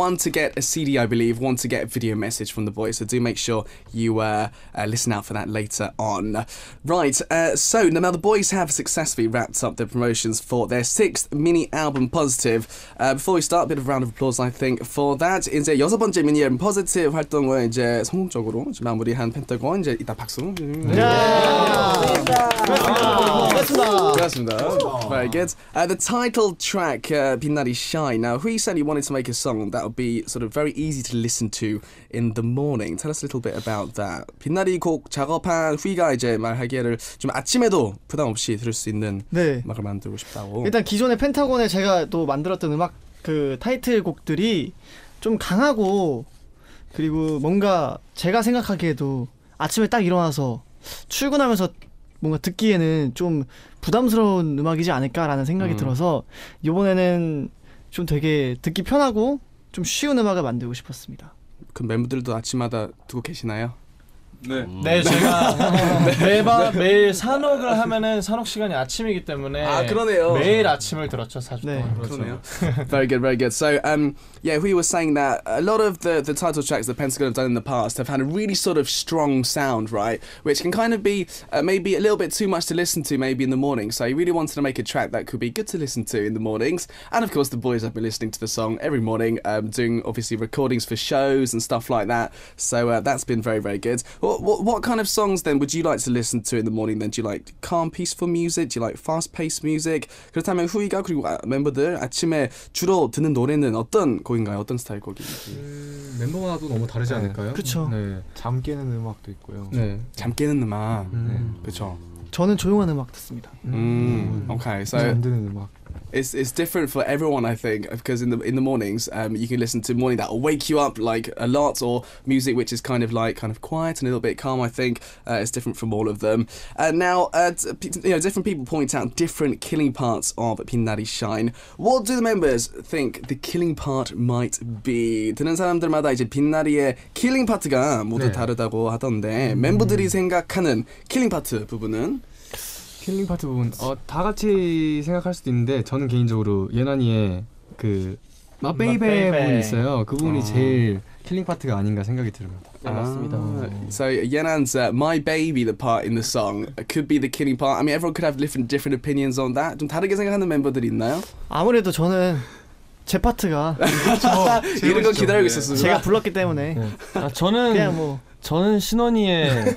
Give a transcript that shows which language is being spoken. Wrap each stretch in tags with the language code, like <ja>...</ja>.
<en>One to get a CD, I believe. One to get a video message from the voice. So do make sure you listen out for that later on. Right, so now the boys have successfully wrapped up their promotions for their sixth mini album Positive. Before we start, a bit of a round of applause, I think, for that.</en> <ko>이제 여섯 번째 미니 앨범 Positive 활동을 이제 성공적으로 마무리한 펜타곤 이제 이따 박수. 네. 고맙습니다.</ko> <en>Very good. The title track, 빛나리 Shine. Now, who said you wanted to make a song that would be sort of very easy to listen to in the morning? Tell us a little bit about that.</en> <ko>빛나리 곡 작업한 휘가 이제 말하기를 좀 아침에도 부담 없이 들을 수 있는 네. 음악을 만들고 싶다고. 일단 기존에 펜타곤에 제가 또 만들었던 음악 그 타이틀 곡들이 좀 강하고 그리고 뭔가 제가 생각하기에도 아침에 딱 일어나서 출근하면서 뭔가 듣기에는 좀 부담스러운 음악이지 않을까라는 생각이 들어서 이번에는 좀 되게 듣기 편하고 좀 쉬운 음악을 만들고 싶었습니다. 그럼 멤버들도 아침마다 듣고 계시나요? 네. 네, 제가 매번 매일 산옥을 하면은 산옥 시간이 아침이기 때문에 아, 그러네요. 매일 아침을 들었죠, 사실. 네, 그러네요.</ko> <en>Very good, very good. So, yeah, Hui was saying that a lot of the title tracks that Pentagon have done in the past have had a really sort of strong sound, right? Which can kind of be maybe a little bit too much to listen to maybe in the morning. So, he really wanted to make a track that could be good to listen to in the mornings. And of course, the boys have been listening to the song every morning, doing obviously recordings for shows and stuff like that. So, that's been very, very good. What kind of songs then would you like to listen to in the morning? Then do you like calm, peaceful music? Do you like fast-paced music?</en> <ko>그렇다면 후이가 그리고 멤버들 아침에 주로 듣는 노래는 어떤 곡인가요? 어떤 스타일 곡인지? 멤버마다도 너무 다르지 네. 않을까요? 그렇죠. 네, 잠 깨는 음악도 있고요. 네, 잠 깨는 음악. 그렇죠. 저는 조용한 음악 듣습니다.</ko> <en>Okay, so</en> <ko>잠드는 음악.</ko> <en>It's different for everyone, I think, because in the mornings, you can listen to morning that will wake you up like a lot, or music which is kind of quiet and a little bit calm. I think it's different from all of them. Now, different people point out different killing parts of 빛나리 Shine. What do the members think the killing part might be?</en> <ko>듣는 사람들마다 이제 빛나리의 killing part가 모두 네. 다르다고 하던데 멤버들이 생각하는 killing part 부분은? 킬링 파트 부분 다 같이 생각할 수도 있는데 저는 개인적으로 예나니의 그 마베이베 부분 있어요. 그 부분이 제일 킬링 파트가 아닌가 생각이 들어요. 맞습니다.</ko> <en>So Yenan's My Baby, the part in the song, could be the killing part. I mean, everyone could have different, different opinions on that.</en> <ko>좀 다르게 생각하는 멤버들이 있나요? 아무래도 저는 제 파트가 이런 거 기다리고 네. 있었습니다. 제가 불렀기 때문에. 네. 아, 저는 그냥 뭐 저는 신원이의</ko>